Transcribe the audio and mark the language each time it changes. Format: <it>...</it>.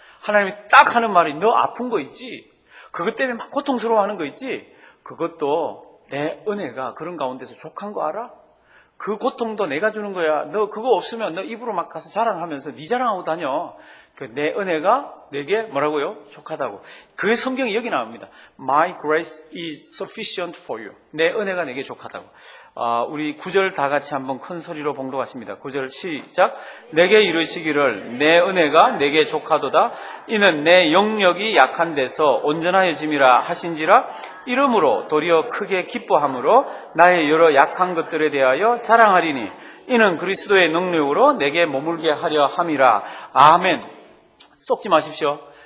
<ko>하나님이 딱 하는 말이 너 아픈 거 있지? 그것 때문에 막 고통스러워하는 거 있지? 그것도 내 은혜가 그런 가운데서 족한 거 알아? 그 고통도 내가 주는 거야. 너 그거 없으면 너 입으로 막 가서 자랑하면서 네 자랑하고 다녀. 그 내 은혜가 내게 뭐라고요? 족하다고. 그 성경이 여기 나옵니다.</ko> <en>My grace is sufficient for you.</en> <ko>내 은혜가 내게 족하다고. 우리 구절 다 같이 한번 큰 소리로 봉독하십니다. 구절 시작. 내게 이르시기를 내 은혜가 내게 족하도다. 이는 내 영력이 약한 데서 온전하여짐이라 하신지라 이름으로 도리어 크게 기뻐함으로 나의 여러 약한 것들에 대하여 자랑하리니 이는 그리스도의 능력으로 내게 머물게 하려 함이라. 아멘. 속지 마십시오.</ko>